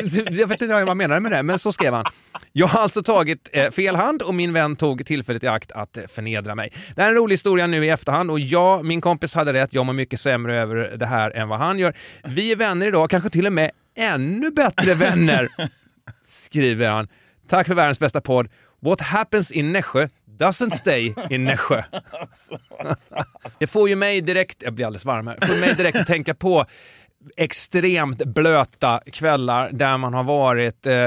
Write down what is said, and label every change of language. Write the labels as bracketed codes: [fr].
[sv] Jag vet inte vad jag menar med det, men så skrev han. Jag har alltså tagit fel hand och min vän tog tillfället i akt att förnedra mig. Det är en rolig historia nu i efterhand, och ja, min kompis hade rätt. Jag mår mycket sämre över det här än vad han gör. Vi är vänner idag, kanske till och med ännu bättre vänner, skriver han. Tack för världens bästa podd. [en] What happens in Nässjö doesn't stay in Nässjö. [sv] Det får ju mig direkt, jag blir alldeles varm här, får mig direkt att tänka på extremt blöta kvällar där man har varit.